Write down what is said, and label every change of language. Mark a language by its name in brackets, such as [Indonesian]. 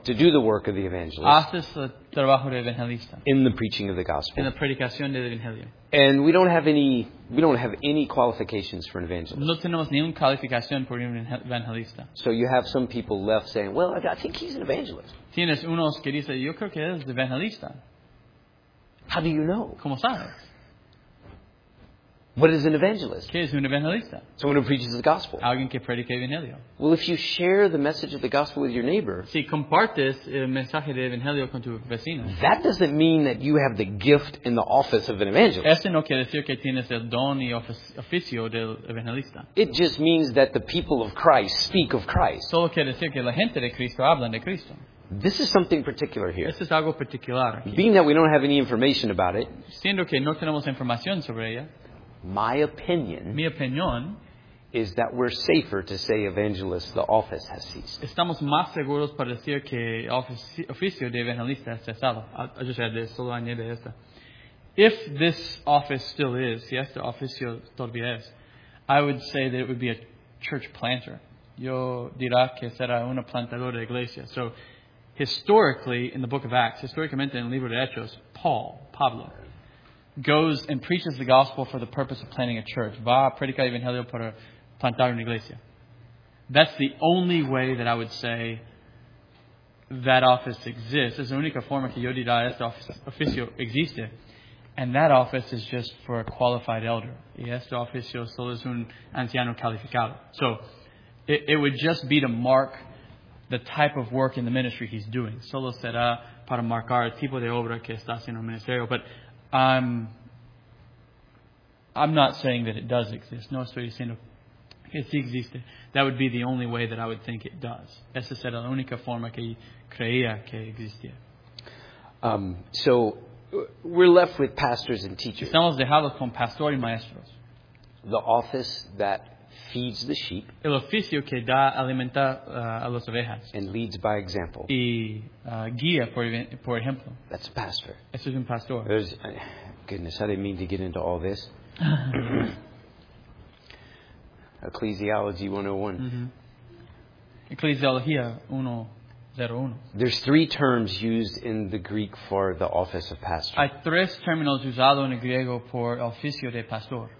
[English] To do the work of the evangelist. [Spanish] Haces el trabajo de evangelista. [English] In the preaching of the gospel. [Spanish] En la predicación del evangelio. [English] And we don't have any qualifications for an evangelist. [Spanish] No tenemos ninguna calificación por un evangelista. [English] So you have some people left saying, well, I think he's an evangelist. [Spanish] Tienes unos que dicen, yo creo que es evangelista. [English] How do you know? [Spanish] ¿Cómo sabes? [English] What is an evangelist? [Spanish] ¿Qué es un evangelista? [English] Someone who preaches the gospel. [Spanish] Alguien que predica el evangelio. [English] Well, if you share the message of the gospel with your neighbor, [Spanish] si compartes el mensaje del evangelio con tu vecino, [English] that doesn't mean that you have the gift in the office of an evangelist. [Spanish] Este no quiere decir que tienes el don y oficio del evangelista. [English] It just means that the people of Christ speak of Christ. [Spanish] Solo quiere decir que la gente de Cristo hablan de Cristo. [English] This is something particular here. [Spanish] Esto es algo particular aquí. [English] Being that we don't have any information about it, [Spanish] siendo que no tenemos información sobre ella, Mi opinión [English] is that we're safer to say evangelist, the office has ceased. [Spanish] Estamos más seguros para decir que oficio de evangelista ha cesado. [English] I just had this, [Spanish] solo añade esta. [English] If this office still is, [Spanish] si este oficio todavía es, [English] I would say that it would be a church planter. [Spanish] Yo dirá que será una plantadora de iglesia. [English] So, historically, in the book of Acts, [Spanish] historicamente en el libro de Hechos, [English] Pablo, goes and preaches the gospel for the purpose of planting a church. [Spanish] Va a predicar el evangelio para plantar una iglesia. [English] That's the only way that I would say that office exists. [Spanish] Es la única forma que yo diría este oficio existe. [English] And that office is just for a qualified elder. [Spanish] Y este oficio solo es un anciano calificado. [English] So, it would just be to mark the type of work in the ministry he's doing. [Spanish] Solo será para marcar el tipo de obra que está haciendo el ministerio. [English] But I'm not saying that it does exist. [Spanish] No estoy diciendo que sí existe. [English] That would be the only way that I would think it does. [Spanish] Esa sería la única forma que creía que existía. [English] So we're left with pastors and teachers. [Spanish] Estamos dejados con pastores y maestros. [English] The office that feeds the sheep. [Spanish] El oficio que da alimenta a las ovejas. [English] And leads by example. [Spanish] Y guía por ejemplo. [English] That's a pastor. [Spanish] Eso es un pastor. [English] Goodness, I didn't mean to get into all this. Ecclesiology 101. [Spanish] Mm-hmm. Ecclesiologia 101. [English] There's three terms used in the Greek for the office of pastor. [Spanish] Hay tres términos usados en el griego por oficio de pastor.